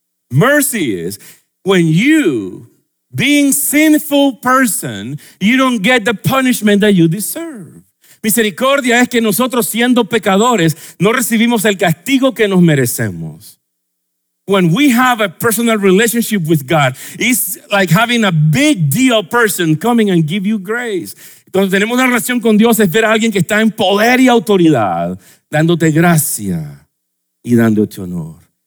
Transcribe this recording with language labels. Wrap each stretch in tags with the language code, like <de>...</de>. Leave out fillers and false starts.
<en>Mercy is when you, being sinful person, you don't get the punishment that you deserve.</en> <es>Misericordia es que nosotros siendo pecadores no recibimos el castigo que nos merecemos.</es> <en>When we have a personal relationship with God, it's like having a big deal person coming and give you grace.</en> <es>Cuando tenemos una relación con Dios es ver a alguien que está en poder y autoridad dándote gracia y dándote honor.</es>